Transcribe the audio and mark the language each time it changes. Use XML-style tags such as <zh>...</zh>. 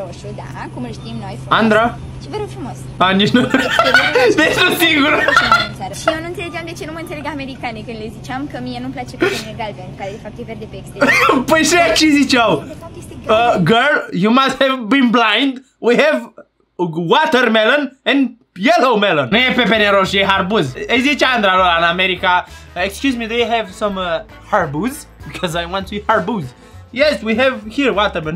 <ro>Pepenele roșu, da, cum îl știm noi frumos. Andra? Și vă rog frumos. A, nici nu. Deci nu sigur. Și eu nu înțelegeam de ce nu mă înțeleg americane când le ziceam că mie nu-mi place pepenele galben, care de fapt e verde pe exterior. Păi și aia ce ziceau?</ro> <en>Girl, you must have been blind. We have watermelon and yellow melon.</en> <ro>Nu e pepene roșu, e harbuz. Îi zice Andra lor în America,</ro> <en>excuse me, do you have some</en> <ro>harbuz?</ro> <en>Because I want to eat harbuz. Yes, we have here watermelon.</en>